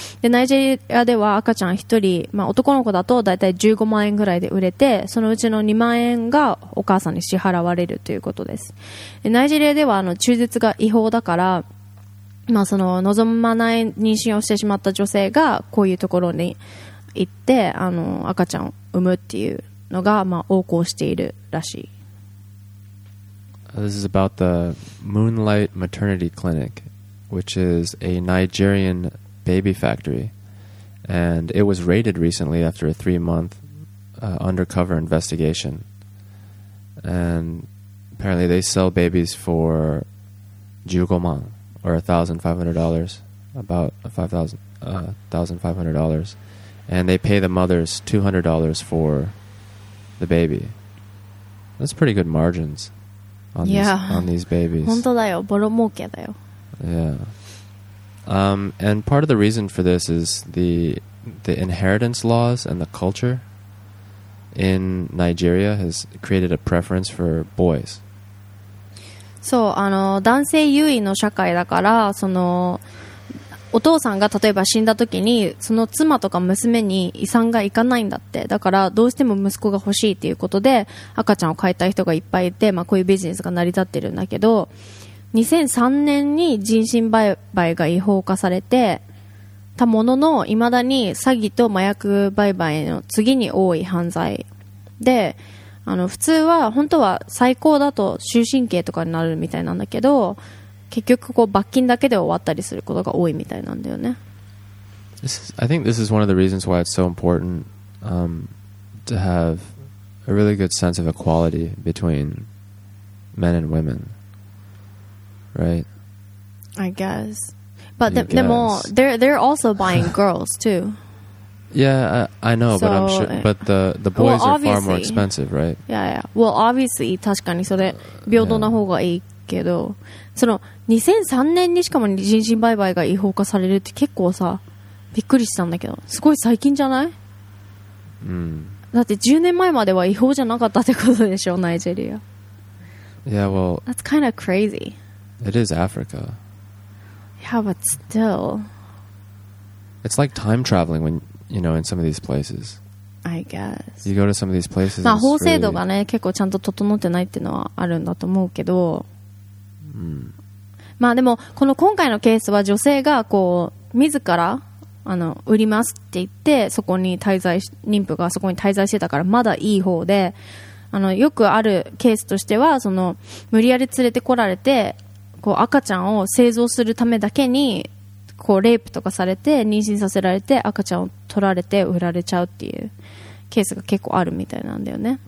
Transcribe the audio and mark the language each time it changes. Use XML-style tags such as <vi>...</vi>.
<ja>でナイジェリアでは赤ちゃん1人、まあ、男の子だとだいたい15万円ぐらいで売れて、そのうちの2万円がお母さんに支払われるということです。でナイジェリアではあの中絶が違法だから、まあその望まない妊娠をしてしまった女性がこういうところに行ってあの赤ちゃんを産むっていうのが、まあ、横行しているらしい。</ja> <en>This is about the Moonlight Maternity Clinic, which is a Nigerian baby factory, and it was raided recently after a 3-month undercover investigation, and apparently they sell babies for 15 man or $1,500, about $1,500. And they pay the mothers $200 for the baby. That's pretty good margins on, yeah. these babies.</en> <ja>本当だよ。ボロ儲けだよ。</ja> <en>Yeah. And part of the reason for this is the inheritance laws and the culture in Nigeria has created a preference for boys.</en> <ja>そう、あの、男性優位の社会だから、そのお父さんが例えば死んだ時にその妻とか娘に遺産がいかないんだって。だからどうしても息子が欲しいっていうことで赤ちゃんを飼いたい人がいっぱいいて、まあ、こういうビジネスが成り立ってるんだけど、2003年に人身売買が違法化されてたものの、いまだに詐欺と麻薬売買の次に多い犯罪で、あの普通は本当は最高だと終身刑とかになるみたいなんだけど、結局こう罰金だけで終わったりすることが多いみたいなんだよね。</ja> <en>I think this is one of the reasons why it's so important to have a really good sense of equality between men and women, right? I guess. But they're also buying girls too. Yeah, I know, so, but I'm sure. But the boys are far more expensive, right? Yeah, yeah. Well, obviously,</en> <ja>確かにそれ平等な方がいいけど、その2003年にしかも人身売買が違法化されるって結構さびっくりしたんだけど、すごい最近じゃない、だって10年前までは違法じゃなかったってことでしょ、ナイジェリア。</ja> <en>Yeah, well, that's kind of crazy. It is Africa. Yeah, but still, it's like time traveling when, you know, in some of these places. I guess. You go to some of these places.</en> <ja>まあ法制度がね、結構ちゃんと整ってないっていうのはあるんだと思うけど。まあでもこの今回のケースは女性がこう自らあの売りますって言ってそこに滞在し、妊婦がそこに滞在してたからまだいい方で、あのよくあるケースとしてはその無理やり連れてこられてこう赤ちゃんを製造するためだけにこうレイプとかされて妊娠させられて赤ちゃんを取られて売られちゃうっていうケースが結構あるみたいなんだよね。</ja>